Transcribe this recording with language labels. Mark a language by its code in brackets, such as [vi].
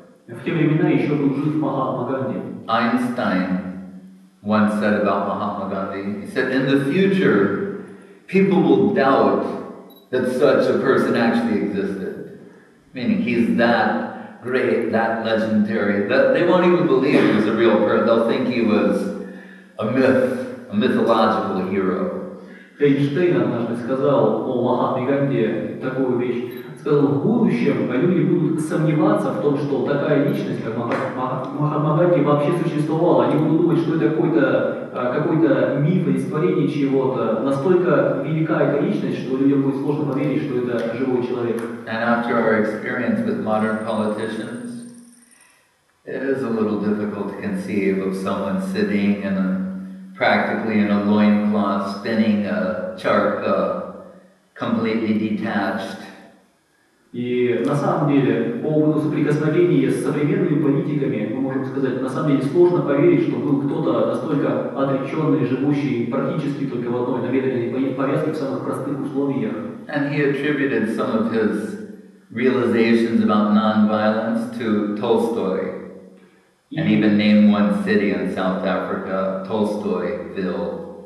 [ru] В те времена еще был жив Махатма Ганди. [en] Einstein once said about Mahatma Gandhi, he said, in the future, people will doubt that such a person actually existed. Meaning, he's that great, that legendary, that they won't even believe he was a real person. They'll think he was a myth, a mythological hero. [ru] Эйнштейн однажды сказал о Махатме Ганди такую вещь. Сказал, в будущем люди будут сомневаться в том, что такая личность, как Махатма Ганди, вообще существовала. Они будут думать, что это какой-то миф или творение чего-то. Настолько велика эта личность, что людям будет сложно поверить, что это живой человек. [en] And after our experience with modern politicians, it is a little difficult to conceive of someone sitting in a practically in a loincloth, spinning a charka, completely detached. [ru] И на самом деле, по соприкосновении с современными политиками, мы можем сказать, на самом деле сложно поверить, что был кто-то настолько отреченный, живущий практически только в одной наведенной повязке в самых простых условиях. [en] And he attributed some of his realizations about non-violence to Tolstoy. And even named one city in South Africa, Tolstoyville.